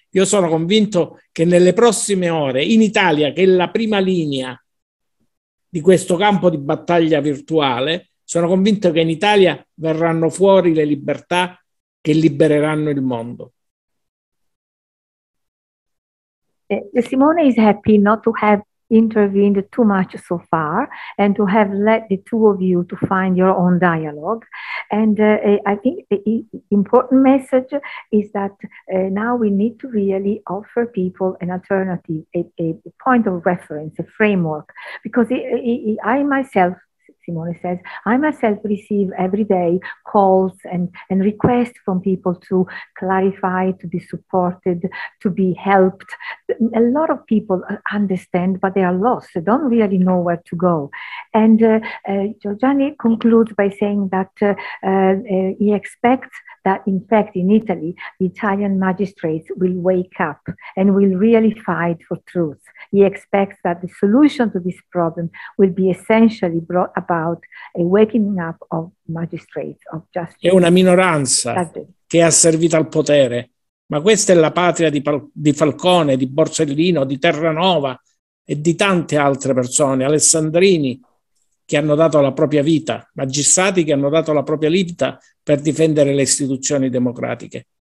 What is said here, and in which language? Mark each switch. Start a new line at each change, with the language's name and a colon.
Italian: Io sono convinto che nelle prossime ore, in Italia, che è la prima linea di questo campo di battaglia virtuale, sono convinto che in Italia verranno fuori le libertà che libereranno il mondo.
English: Simone is happy not to have intervened too much so far and to have let the two of you to find your own dialogue, and I think the important message is that now we need to really offer people an alternative, a point of reference, a framework, because I myself, Simone says, I myself receive every day calls and requests from people to clarify, to be supported, to be helped. A lot of people understand, but they are lost. They don't really know where to go. And Giorgiani concludes by saying that he expects that, in fact, in Italy, the Italian magistrates will wake up and will really fight for truth. He expects that the solution to this problem will be essentially brought about a waking up of magistrates, of justice.
Italian: È una minoranza che è asservita al potere, ma questa è la patria di Falcone, di Borsellino, di Terranova e di tante altre persone, alessandrini che hanno dato la propria vita, magistrati che hanno dato la propria vita per difendere le istituzioni democratiche.